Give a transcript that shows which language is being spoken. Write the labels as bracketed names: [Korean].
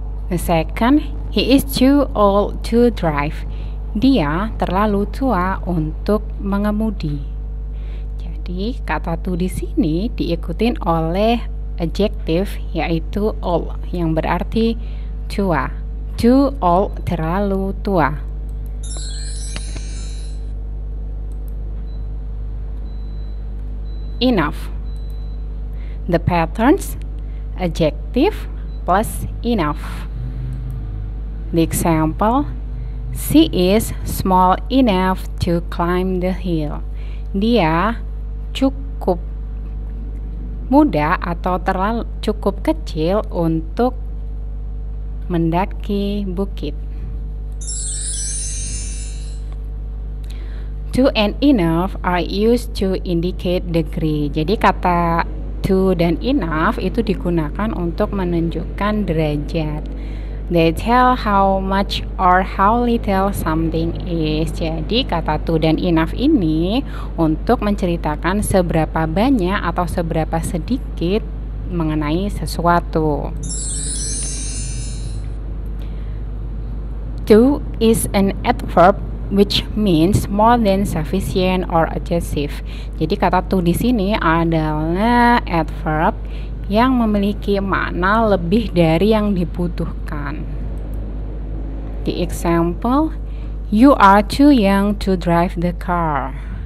[English] The second, he is too old to drive. [Indonesian] Dia terlalu tua untuk mengemudi. Jadi, kata to di sini diikutin oleh adjective yaitu old yang berarti tua. Too old, terlalu tua. [English] Enough. The patterns adjective plus enough. The example, she is small enough to climb the hill. [Indonesian] Dia cukup muda atau cukup kecil untuk mendaki bukit. [English] To and enough are used to indicate degree. [Indonesian] Jadi kata to dan enough itu digunakan untuk menunjukkan derajat. [English] They tell how much or how little something is. [Indonesian] Jadi kata to dan enough ini untuk menceritakan seberapa banyak atau seberapa sedikit mengenai sesuatu. [English] To is an adverb which means more than sufficient or excessive. [Indonesian] Jadi kata to di sini adalah adverb yang memiliki makna lebih dari yang dibutuhkan. [English] The example, you are too young to drive the car.